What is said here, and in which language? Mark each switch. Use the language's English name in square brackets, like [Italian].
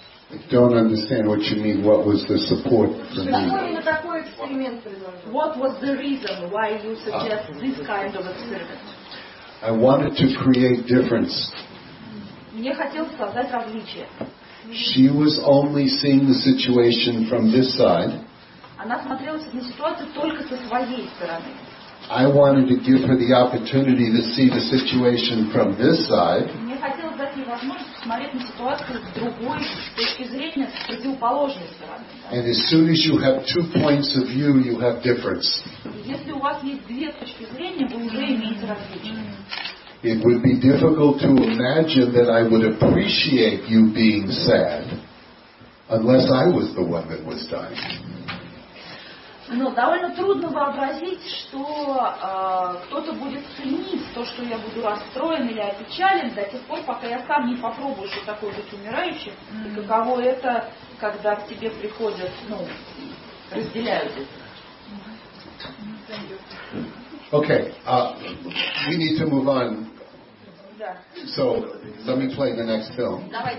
[English] I don't understand what you mean. What was the support for me? What was the reason why you suggest this kind of experiment? I wanted to create difference. [Russian] Мне хотелось создать различие. [English] She was only seeing the situation from this side. [Russian] Она смотрела на ситуацию только со своей стороны. [English] I wanted to give her the opportunity to see the situation from this side. [Russian] Мне хотелось дать ей возможность посмотреть на ситуацию с другой точки зрения, с противоположной стороны. [English] And as soon as you have two points of view, you have difference. [Russian] Если у вас есть две точки зрения, вы уже имеете различие. [English] It would be difficult to imagine that I would appreciate you being sad unless I was the one that was dying. [Russian] Но довольно трудно вообразить, что кто-то будет ценить то, что я буду расстроен или опечален до тех пор, пока я сам не попробую, что такое быть умирающим. И каково это, когда к тебе приходят, ну, разделяют это. [English] Okay, we need to move on. So, let me play the next film.